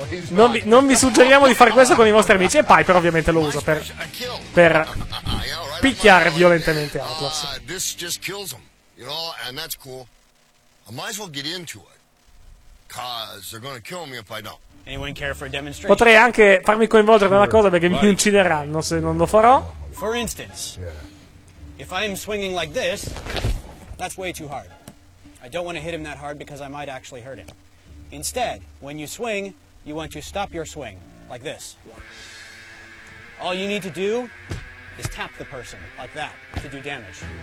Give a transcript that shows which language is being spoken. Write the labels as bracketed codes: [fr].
[it] Non vi suggeriamo di fare questo con i vostri amici. E Piper ovviamente lo usa per picchiare violentemente Atlas. [en] This just kills him, you know, and that's cool. I might as well get into it, cause they're gonna kill me if I don't. Anyone care for a demonstration? [it] Potrei anche farmi coinvolgere nella cosa perché mi uccideranno se non lo farò. [en] For instance, if I'm swinging like this, that's way too hard. I don't want to hit him that hard because I might actually hurt him. Instead, when you swing, you want to stop your swing like this. All you need to do is tap the person like that to do damage.